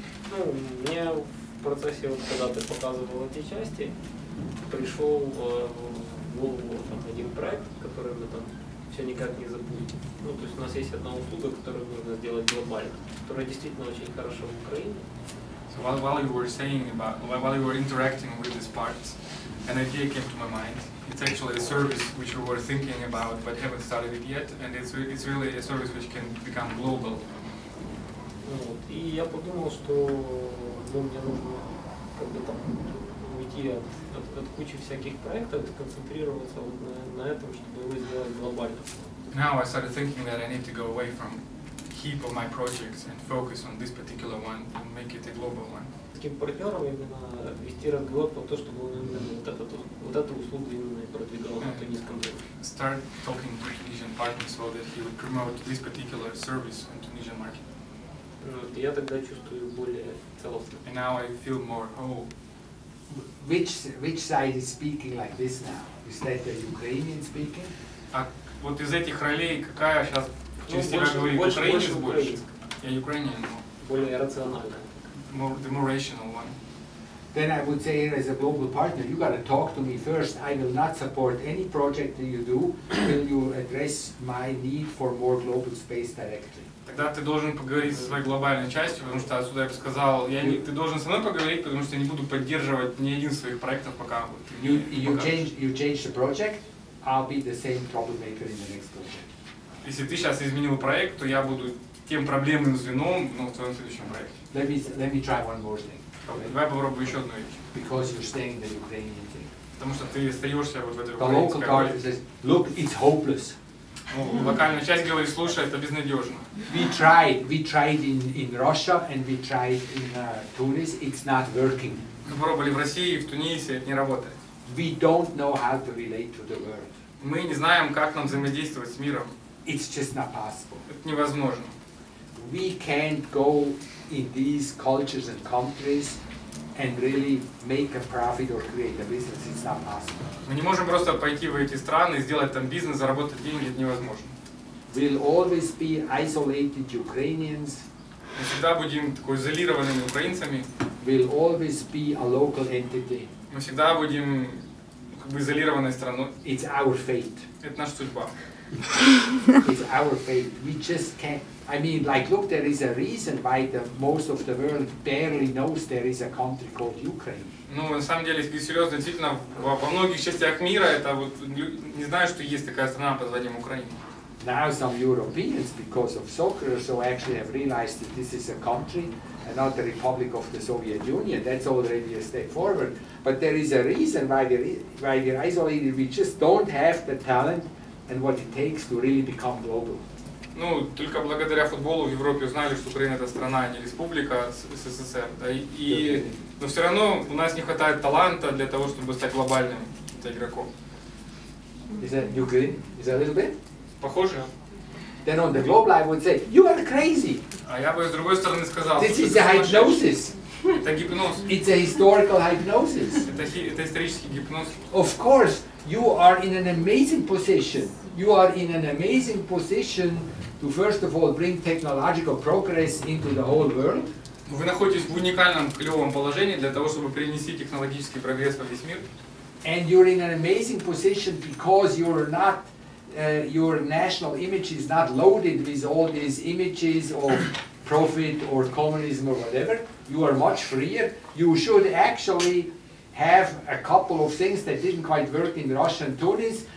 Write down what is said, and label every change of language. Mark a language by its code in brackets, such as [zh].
[ru] Ну, мне в процессе, вот, когда ты показывал эти части, пришел в голову там, один проект, который мы там все никак не забудем. Ну, то есть у нас есть одна услуга, которую нужно сделать глобально, которая действительно очень хороша в Украине. [en] So while you were saying about, while you were interacting with these parts, an idea came to my mind. It's actually a service which we were thinking about but haven't started it yet, and it's really a service which can become global. [ru] Вот. И я подумал, что мне нужно как бы там уйти от кучи всяких проектов, сконцентрироваться вот на этом, чтобы его сделать глобально. [en] Now I started thinking that I need to go away from heap of my projects and focus on this particular one and make it a global one. [ru] таким партнером именно вести разговор про то, чтобы он именно вот эту услугу именно продвигал на тунисском рынке. [en] Start talking to Tunisian partners so that he would promote this particular service on Tunisian market. [ru] Ну, вот я тогда чувствую более целостно. [en] And now I feel more whole. Which side is speaking like this now? Is that the Ukrainian speaking? [ru] А вот из этих ролей какая сейчас через тебя говорит украинец больше? Я Ukrainian, но более рационально. [en] The more rational one. Then I would say, as a global partner, you got to talk to me first. I will not support any project that you do till you address my need for more global space directly. [ru] Тогда ты должен поговорить со своей глобальной частью, потому что отсюда я бы сказал, ты должен со мной поговорить, потому что я не буду поддерживать ни один из своих проектов, пока ты не покажешь. [en] You change the project, I'll be the same troublemaker in the next project. [ru] Если ты сейчас изменил проект, то я буду тем проблемным звеном в твоем следующем проекте. [en] Let me try one more thing. [ru] Давай попробую еще одну вещь. [en] Because you're staying in the Ukrainian thing. [ru] Потому что ты остаешься вот в этой украинской проекте. [en] The local party says, look, it's hopeless. [ru] Ну, локальная часть говорит, слушай, это безнадежно. [en] We tried in Russia and we tried in Tunis, it's not working. [ru] Мы пробовали в России, в Тунисе, это не работает. [en] We don't know how to relate to the world. [ru] Мы не знаем, как нам взаимодействовать с миром. [en] It's just not possible. [ru] Это невозможно. [en] We can't go in these cultures and countries and really make a profit or create a business, it's not possible. [ru] Мы не можем просто пойти в эти страны и сделать там бизнес, заработать деньги, это невозможно. [en] We'll always be isolated Ukrainians. [ru] Мы всегда будем такой изолированными украинцами. [en] We'll always be a local entity. [ru] Мы всегда будем как бы изолированной страной. [en] It's our fate. [ru] Это наша судьба. [en] It's our fate. We just can't. I mean, like, look, there is a reason why the most of the world barely knows there is a country called Ukraine. [ru] Ну, на самом деле, если серьезно, действительно, во многих частях мира это вот не знаю, что есть такая страна под названием Украина. [en] Now some Europeans, because of soccer, so actually have realized that this is a country and not the Republic of the Soviet Union. That's already a step forward. But there is a reason why we're isolated. We just don't have the talent and what it takes to really become global. [ru] Ну, только благодаря футболу в Европе узнали, что Украина это страна, а не республика СССР. Да, но все равно у нас не хватает таланта для того, чтобы стать глобальным игроком. [en] Is that Ukraine? Is that a little bit? [ru] Похоже. [en] Then on the global, I would say, you are crazy. [ru] А я бы с другой стороны сказал. [en] This is a hypnosis. [ru] Это гипноз. [en] It's a historical hypnosis. [ru] Это исторический гипноз. [en] Of course, you are in an amazing position. You are in an amazing position to first of all bring technological progress into the whole world. [ru] Вы находитесь в уникальном клевом положении для того, чтобы перенести технологический прогресс во весь мир. [en] And you're in an amazing position because you're not your national image is not loaded with all these images of profit or communism or whatever. You are much freer. You should actually have a couple of things that didn't quite work in Russia and Tunis.